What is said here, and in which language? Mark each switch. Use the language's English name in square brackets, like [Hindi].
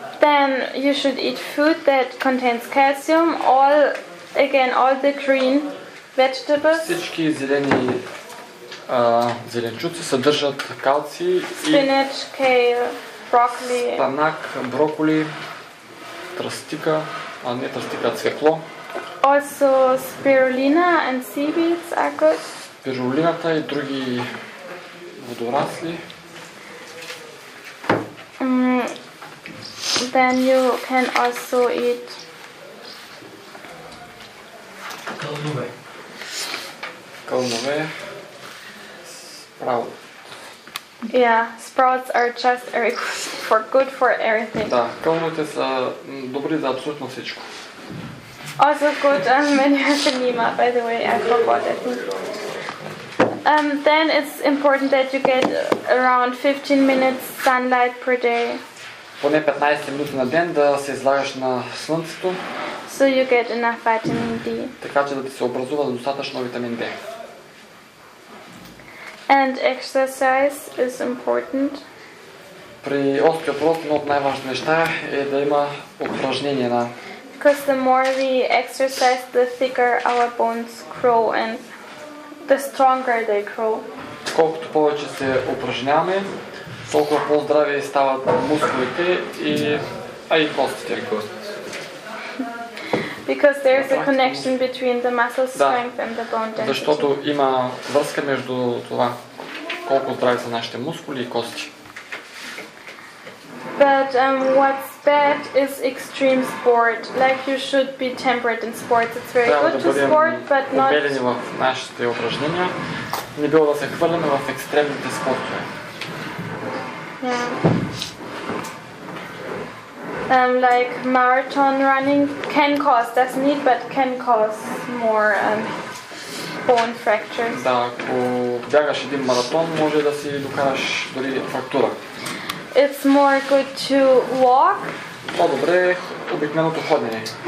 [English] Then you should eat food that contains calcium. All the green vegetables. [Bulgarian] Всички зелени зеленчуци съдържат калци. [English] Spinach, kale, broccoli. [Bulgarian] Спанак, броколи, тръстика, а не тръстика, цвекло. [English] Also spirulina and seaweeds are good. [Bulgarian] Спирулината и други водорасли. [English] Then you can also eat Kalnove. Sprout. Yeah, sprouts are just good for everything. [Bulgarian] Да, кълновете са добри за абсолютно всичко. [English] also good when you have a nima, by the way, I forgot it. Then it's important that you get around 15 minutes sunlight per day. [Bulgarian] Поне 15 минути на ден да се излагаш на слънцето. [English] So you get enough vitamin D. [Bulgarian] Така че да ти се образува достатъчно витамин D. [English] And exercise is important. [Bulgarian] При остеопороз едно от най-важните неща е да има упражнения на. [English] Because the more we exercise, the thicker our bones grow and the stronger they grow. [Bulgarian] Колкото повече се упражняваме, толкова по-здрави стават мускулите и костите. [English] Because there is a connection between the muscle strength and the bone density. [Bulgarian] Защото има връзка между това колко здрави са нашите мускули и кости. [English] But what's bad is extreme sport. Like you should be temperate in sports. It's very good to sport, but not. [Bulgarian] Трябва да бъдем обелени в нашите упражнения. Не било да се хвърляме в екстремните спортове. [English] Yeah. Like marathon running can cause, doesn't need, but can cause more bone fractures. [Bulgarian] Да, ако бягаш един маратон, може да си докараш дори фрактура. [English] It's more good to walk. [Bulgarian] По-добре е обикновеното ходене.